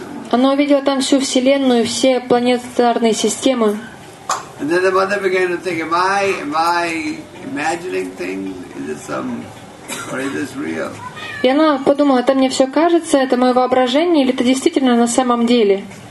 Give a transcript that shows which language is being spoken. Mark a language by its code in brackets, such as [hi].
[ru] Она увидела там всю Вселенную, все планетарные системы. [en] And then the mother began to think, am I imagining things? Is it some, or is this real? [ru] И она подумала, это мне все кажется, это мое воображение, или это действительно на самом деле?